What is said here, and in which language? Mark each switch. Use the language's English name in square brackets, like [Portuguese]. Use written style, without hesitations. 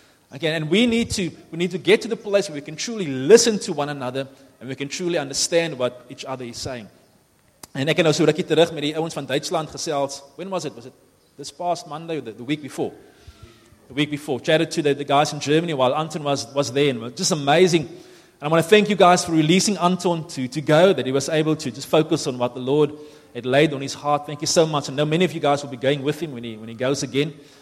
[English] Okay, and we need to get to the place where we can truly listen to one another and we can truly understand what each other is saying. [Afrikaans] En ek het nou so rukkie terug met die ouens van Duitsland gesels. [English] When was it? Was it this past Monday or the week before? The week before. Chatted to the guys in Germany while Anton was there. And it was just amazing. And I want to thank you guys for releasing Anton to go, that he was able to just focus on what the Lord had laid on his heart. Thank you so much. I know many of you guys will be going with him when he goes again.